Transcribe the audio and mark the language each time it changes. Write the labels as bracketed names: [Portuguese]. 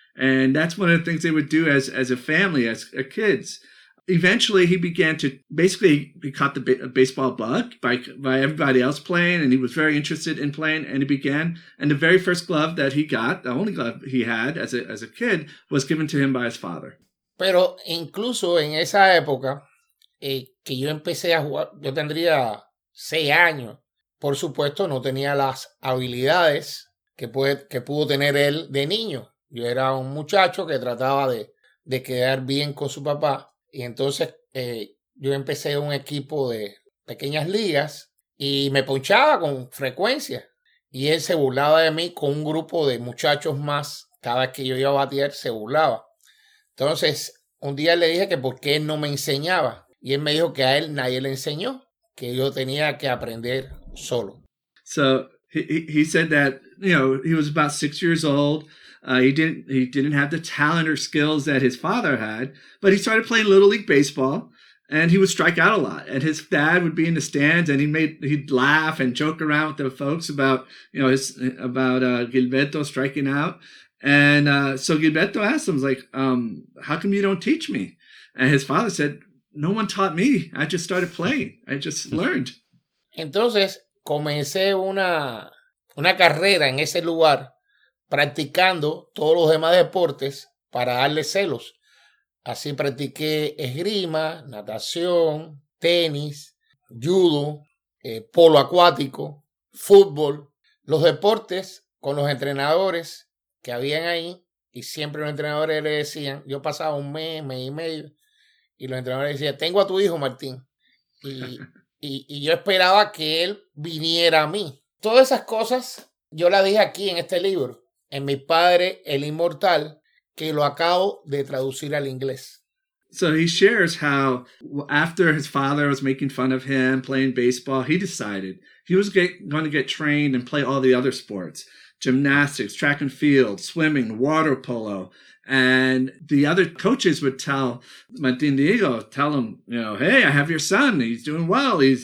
[English] And that's one of the things they would do as a family, as kids. Eventually, he began to basically, he caught the baseball bug by everybody else playing, and he was very interested in playing, and he began. And the very first glove that he got, the only glove he had as a kid, was given to him by his father. [Spanish] Pero incluso en esa época, que yo empecé a jugar, yo tendría 6 años. Por supuesto, no tenía las habilidades que pudo tener él de niño. Yo era un muchacho que trataba de quedar bien con su papá. Y entonces yo empecé un equipo de pequeñas ligas y me ponchaba con frecuencia. Y él se burlaba de mí con un grupo de muchachos más. Cada vez que yo iba a batear, se burlaba. Entonces, un día le dije que por qué él no me enseñaba. Y él me dijo que a él nadie le enseñó, que yo tenía que aprender solo. [English] So, he said that, you know, he was about 6 years old. He didn't have the talent or skills that his father had, but he started playing Little League Baseball, and he would strike out a lot. And his dad would be in the stands, and he'd laugh and joke around with the folks about Gilberto striking out. And so Gilberto asked him, like, how come you don't teach me? And his father said, no one taught me. I just started playing. I just learned. [Spanish] Entonces, comencé una carrera en ese lugar, practicando todos los demás deportes para darle celos. Así practiqué esgrima, natación, tenis, judo, polo acuático, fútbol, los deportes con los entrenadores que habían ahí, y siempre los entrenadores le decían, yo pasaba un mes y medio, y los entrenadores decían, tengo a tu hijo, Martín. Y yo esperaba que él viniera a mí. Todas esas cosas yo las dije aquí en este libro, en mi padre, el inmortal, que lo acabo de traducir al inglés. [English] So he shares how after his father was making fun of him playing baseball, he decided he was going to get trained and play all the other sports, gymnastics, track and field, swimming, water polo. And the other coaches would tell Martin Diego, tell him, you know, hey, I have your son. He's doing well.